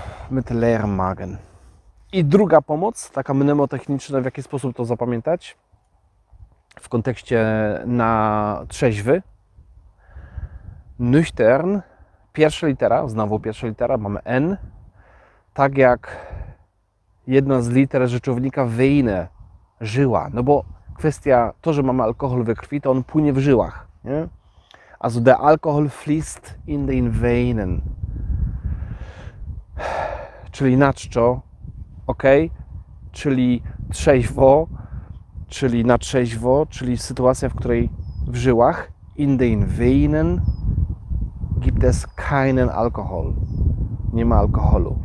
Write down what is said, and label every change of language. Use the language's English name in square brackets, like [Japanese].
[German] Mit leerem Magen. [Polish] I druga pomoc, taka mnemotechniczna, w jaki sposób to zapamiętać w kontekście na trzeźwy. Nüchtern, pierwsza litera, znowu pierwsza litera, mamy N, tak jak jedna z liter rzeczownika Weine, żyła. No bo kwestia, to, że mamy alkohol we krwi, to on płynie w żyłach. Nie? [German] Also der Alkohol fließt in den Weinen. [Polish] Czyli naczczo, ok, czyli trzeźwo, czyli na trzeźwo, czyli sytuacja, w której w żyłach, [German] in den Weinen gibt es keinen Alkohol. [Polish] Nie ma alkoholu.